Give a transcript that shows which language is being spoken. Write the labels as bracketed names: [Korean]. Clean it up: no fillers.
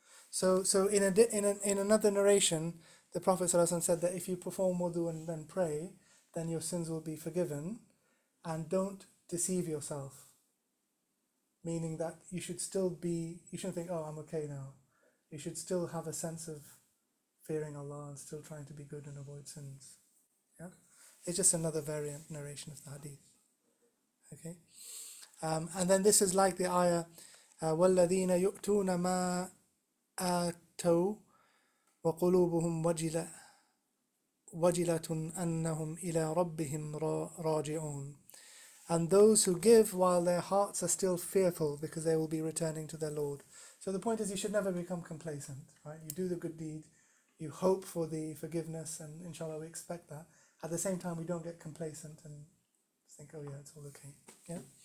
[English] So in another narration, the Prophet ﷺ said that if you perform wudu and then pray, then your sins will be forgiven, and don't deceive yourself. Meaning that you should still be, you shouldn't think, oh, I'm okay now. You should still have a sense of fearing Allah and still trying to be good and avoid sins. Yeah, it's just another variant narration of the hadith. Okay, and then this is like the ayah, [Arabic] وَالَّذِينَ يُؤْتُونَ مَا آتَوْا وَقُلُوبُهُمْ وَجِلَةٌ أَنَّهُمْ إِلَىٰ رَبِّهِمْ رَاجِعُونَ. [English] And those who give while their hearts are still fearful, because they will be returning to their Lord. So the point is, you should never become complacent, right? You do the good deed, you hope for the forgiveness, and inshallah we expect that. At the same time, we don't get complacent and think, oh yeah, it's all okay. Yeah.